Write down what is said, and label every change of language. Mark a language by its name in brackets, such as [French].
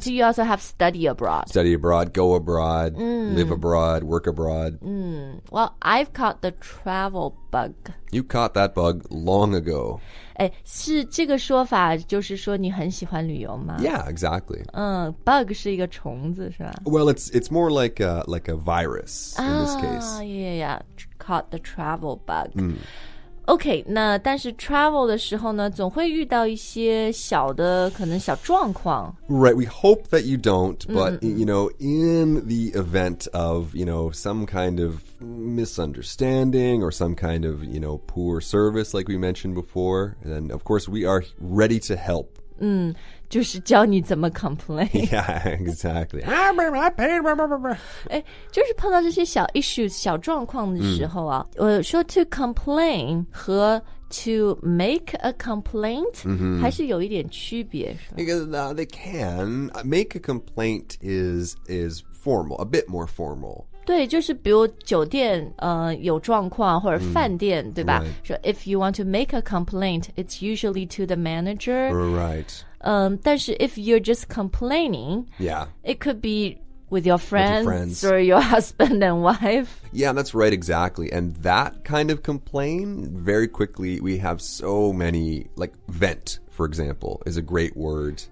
[English] So you also have study abroad. Study abroad, go abroad,、live abroad, work abroad.、 Well, I've caught the travel bug. You caught that bug long ago. [Chinese] 哎，是这个说法，就是说你很喜欢旅游吗 [English] ？Yeah, exactly. [Chinese] Bug 是一个虫子，是吧 [English] ？Well, it's more like a virus in this case. Yeah, caught the travel bug. [Chinese] OK, 那但是 travel 的时候呢，总会遇到一些小的可能小状况。 [English] Right, we hope that you don't, but,、you know, in the event of, you know, some kind of misunderstanding or some kind of, you know, poor service like we mentioned before, then of course we are ready to help. [Chinese] 就是教你怎么 complain. [English] Yeah, exactly. I paid. [Chinese] 就是碰到这些小 issues, 小状况的时候啊、我说 to complain 和 [English] to make a complaint、 [Chinese] 还是有一点区别是吧 [English] Because、they can. Make a complaint is formal, a bit more formal. [Chinese] 对就是比如酒店、有状况或者饭店、对吧、 [English] right. 说 if you want to make a complaint, it's usually to the manager. Right.、但是 if you're just complaining, yeah, it could be with your friends, with your friends. Or your husband and wife. Yeah, that's right, exactly. And that kind of complaint, very quickly, we have so many, like vent, for example, is a great word.、